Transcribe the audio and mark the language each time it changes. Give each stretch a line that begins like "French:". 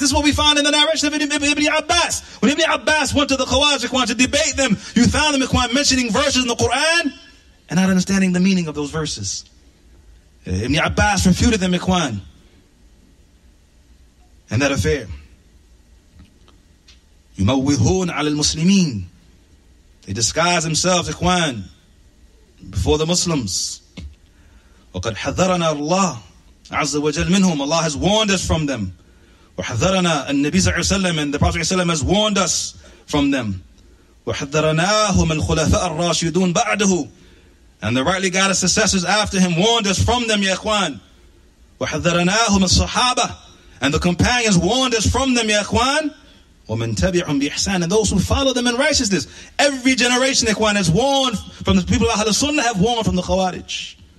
English: This is what we find in the narration of Ibn Abbas. When Ibn Abbas went to the Khawarij, Ikhwan, to debate them, you found them, Ikhwan, mentioning verses in the Quran and not understanding the meaning of those verses. Ibn Abbas refuted them, Ikhwan. And that affair.
Arabic: يموهون على المسلمين.
English: They disguise themselves, Ikhwan, before the Muslims.
Arabic: وقد حذرنا الله عز وجل منهم.
English: Allah has warned us from them.
Arabic: وحذرنا النبي صلى الله عليه وسلم.
English: And the Prophet صلى الله عليه وسلم has warned us from them.
Arabic: وحذرناهم الخلفاء الراشدون بعده.
English: And the rightly guided successors after him warned us from them, Ya Ikhwan.
Arabic: وحذرناهم الصحابة.
English: And the companions warned us from them, Ya Ikhwan.
Arabic: وَمَنْ تَبِعُمْ بِإِحْسَانٍ
English: And those who follow them in righteousness. Every generation, Ikhwan, has warned from the people of Ahl al-Sunnah, have warned from the Khawarij.